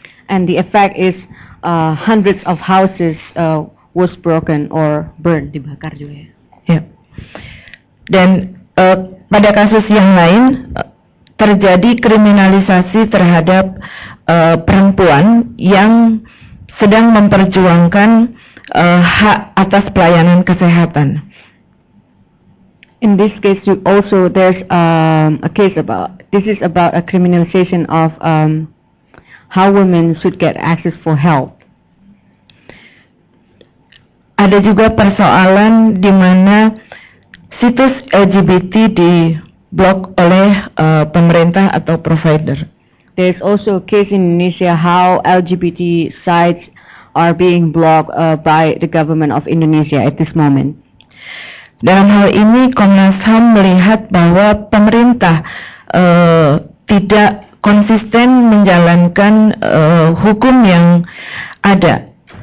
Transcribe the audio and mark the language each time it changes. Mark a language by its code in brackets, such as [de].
[en] And the effect is hundreds of houses was broken or burned, [id] dibakar juga ya. [en] Yeah. [id] Dan pada kasus yang lain terjadi kriminalisasi terhadap perempuan yang sedang memperjuangkan hak atas pelayanan kesehatan. [en] In this case, you also there's a case about this is about a criminalization of how women should get access for health. [id] Ada juga persoalan di mana situs LGBT diblok oleh pemerintah atau provider. [en] There's also a case in Indonesia how LGBT sites are being blocked by the government of Indonesia at this moment. [id] Dalam hal ini Komnas HAM melihat bahwa pemerintah tidak konsisten menjalankan hukum yang ada.